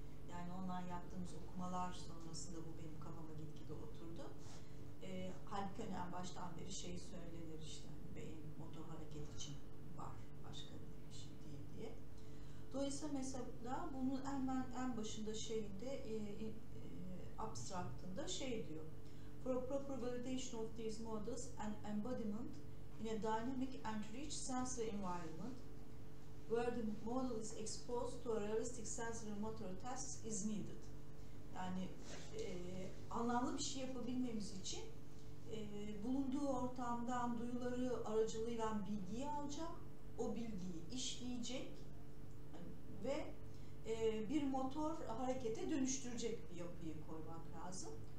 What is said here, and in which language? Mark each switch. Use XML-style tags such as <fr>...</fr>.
<tr>Yani ondan yaptığımız okumalar sonrasında bu benim kafama gitgide oturdu. Halbuki hani en baştan beri şey söylenir işte, hani beyin motor hareket için var, başka bir şey değil diye. Dolayısıyla mesela bunun hemen en başında şeyinde abstraktında şey diyor.</tr> <en>For a proper validation of these models and embodiment in a dynamic and rich sensory environment where the model is exposed to a realistic sensory motor tasks is needed.</en> <tr>Yani anlamlı bir şey yapabilmemiz için bulunduğu ortamdan duyuları aracılığıyla bilgiyi alacak, o bilgiyi işleyecek ve bir motor harekete dönüştürecek bir yapıyı koymak lazım.</tr>